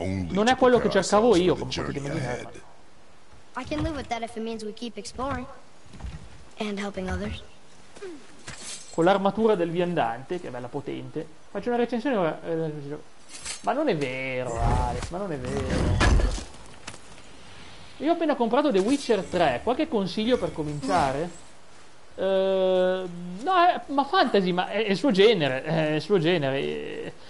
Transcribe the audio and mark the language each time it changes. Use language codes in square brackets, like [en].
[it] Non è quello che cercavo io, come potete immaginare. [en] I can live with that if it means we keep exploring and helping others. [it] Con l'armatura del viandante, che è bella potente. Faccio una recensione ora. Ma non è vero, Alex, ma non è vero. Io ho appena comprato The Witcher 3. Qualche consiglio per cominciare? No, ma fantasy, ma è il suo genere, è il suo genere.